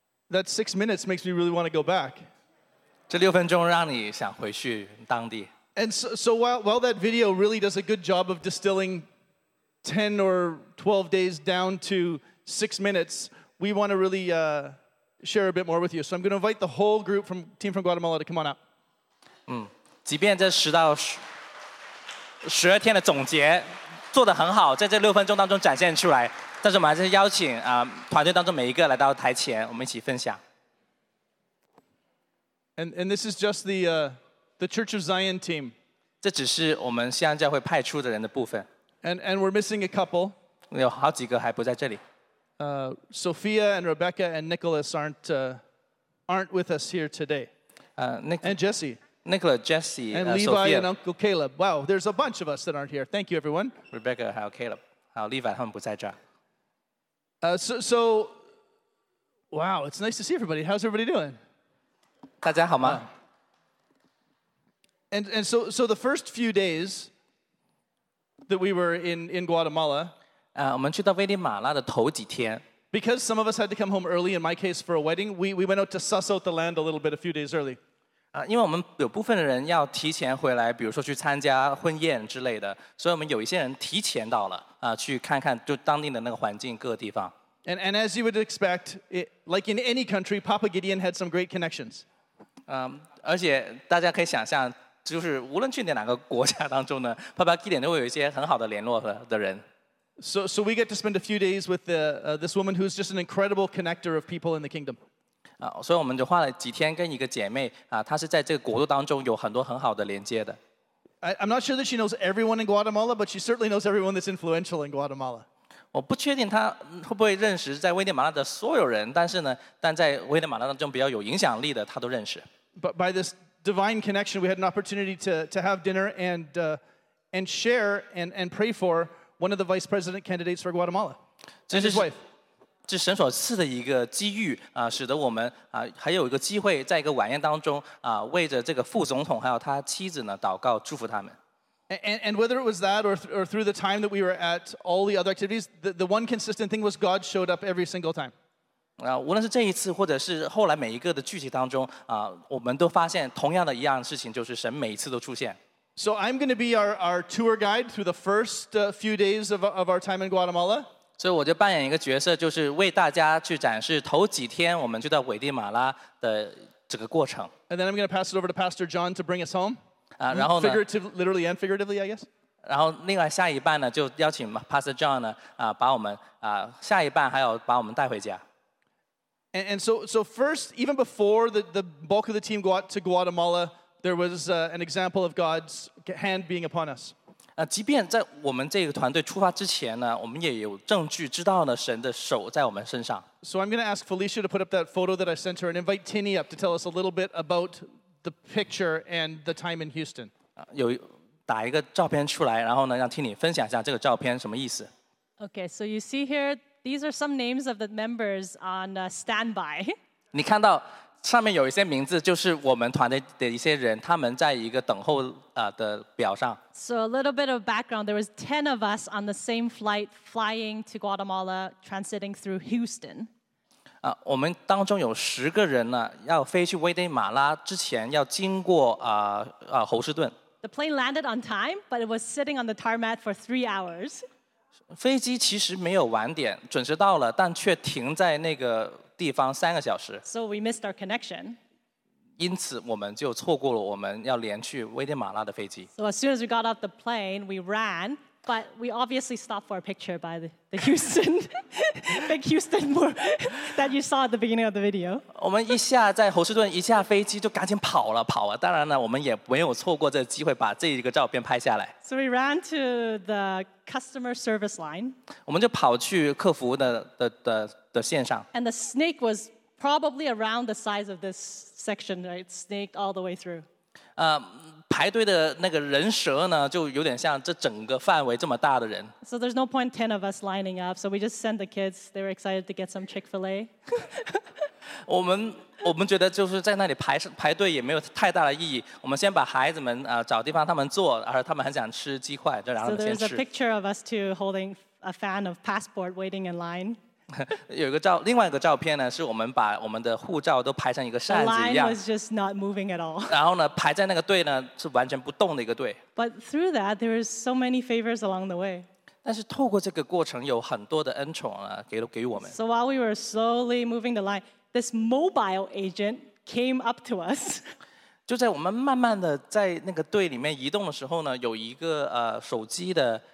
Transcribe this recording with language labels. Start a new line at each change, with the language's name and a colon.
English: That 6 minutes makes me really want to go back.
Chinese: 这六分钟让你想回去当地。
English: And so while that video really does a good job of distilling 10 or 12 days down to 6 minutes, we want to really share a bit more with you. So I'm going to invite the whole group from Team from Guatemala to come on up.
Chinese: 即便这十到十二天的总结做得很好，在这六分钟当中展现出来，但是我们还是邀请团队当中每一个来到台前，我们一起分享。
English: And this is just the Church of Zion team.
Chinese: 这只是我们锡安教会派出的人的部分。
English: And we're missing a couple.
Chinese: 有好几个还不在这里。
English: Sophia and Rebecca and Nicholas aren't with us here today. And Jesse. Nicholas, Jesse, and Levi Sophia. And Uncle Caleb. Wow, there's a bunch of us that aren't here. Thank you, everyone.
Chinese: Rebecca, 还有 Caleb, 还有 Levi, 他们不在这。
English: So, wow, it's nice to see everybody. How's everybody doing?
Chinese: 大家好吗？
English: And so the first few days that we were in Guatemala,
Chinese: 我们去到危地马拉的头几天。
English: Because some of us had to come home early, in my case for a wedding, we went out to suss out the land a little bit a few days early.
Chinese: 因为我们有部分的人要提前回来，比如说去参加婚宴之类的，所以我们有一些人提前到了去看看就当地的那个环境各个地方。
English: And as you would expect, like in any country, Papa Gideon had some great connections.
Chinese: 而且大家可以想象，就是无论去哪个国家当中呢 ，Papa Gideon 都会有一些很好的联络的人。
English: So we get to spend a few days with this woman who's just an incredible connector of people in the kingdom.
Chinese: 所以我们就花了几天跟一个姐妹她是在这个国度当中有很多很好的连接的。
English: I'm not sure that she knows everyone in Guatemala, but she certainly knows everyone that's influential in Guatemala.
Chinese: 我不确定她会不会认识在危地马拉的所有人，但是呢，但在危地马拉当中比较有影响力的，她都认识。
English: But by this divine connection, we had an opportunity to have dinner and share and pray for one of the vice president candidates for Guatemala, and his wife.
Chinese: 这神所赐的一个机遇使得我们还有一个机会在一个晚宴当中为着这个副总统还有他妻子呢祷告祝福他们。
English: And whether it was that or through the time that we were at all the other activities, the one consistent thing was God showed up every single time.
Chinese: 无论是这一次或者是后来每一个的聚集当中我们都发现同样的一样事情，就是神每一次都出现。
English: So I'm going to be our tour guide through the first few days of our time in Guatemala.
Chinese: So 我就扮演一个角色，就是为大家去展示头几天我们就到危地马拉的这个过程。
English: And then I'm going to pass it over to Pastor John to bring us home.
Chinese: 然后呢
English: ？Figuratively, literally and figuratively, I guess.
Chinese: 然后另外下一半呢，就邀请 Pastor John 呢把我们下一半还有把我们带回家。
English: And so first, even before the bulk of the team got to Guatemala, there was an example of God's hand being upon us.
Chinese: 即便在我们这个团队出发之前呢，我们也有证据知道呢神的手在我们身上。
English: So I'm going to ask Felicia to put up that photo that I sent her and invite Tinny up to tell us a little bit about the picture and the time in Houston.
Chinese: 有打一个照片出来，然后呢让 Tinny 分享一下这个照片什么意思。
English: Okay, so you see here, these are some names of the members on standby.
Chinese: 你看到上面有一些名字，就是我们团队的一些人，他们在一个等候的表上。
English: So a little bit of background, there was 10 of us on the same flight flying to Guatemala, transiting through Houston.
Chinese: 我们当中有十个人呢，要飞去危地马拉之前要经过侯士顿。
English: The plane landed on time, but it was sitting on the tarmac for 3 hours.
Chinese: 飞机其实没有晚点，准时到了，但却停在那个地方三个小时。
English: So we missed our connection.
Chinese: 因此我们就错过了我们要连去危地马拉的飞机。
English: So as soon as we got off the plane, we ran, but we obviously stopped for a picture by the Houston, big Houston that you saw at the beginning of the video.
Chinese: 我们一下在侯士顿一下飞机就赶紧跑了。当然呢，我们也没有错过这个机会把这一个照片拍下来。
English: So we ran to the customer service line.
Chinese: 我们就跑去客服的线上。
English: And the snake was probably around the size of this section, right? Snaked all the way through.
Chinese: 排队的那个人蛇呢，就有点像这整个范围这么大的人。
English: So there's no point 10 of us lining up, so we just sent the kids. They were excited to get some Chick-fil-A.
Chinese: 我们觉得就是在那里排队也没有太大的意义。我们先把孩子们找地方他们坐，而他们很想吃鸡块，就让他们先吃。
English: So there's a picture of us two holding a fan of passport waiting in line.
Chinese: 有一个照，另外一个照片呢，是我们把我们的护照都排成一个扇子一样。
English: The line was just not moving at all.
Chinese: 然后呢，排在那个队呢是完全不动的一个队。
English: But through that, there were so many favors along the way.
Chinese: 但是透过这个过程，有很多的恩宠啊，给予我们。
English: So while we were slowly moving the line, this mobile agent came up to us.
Chinese: 就在我们慢慢的在那个队里面移动的时候呢，有一个手机的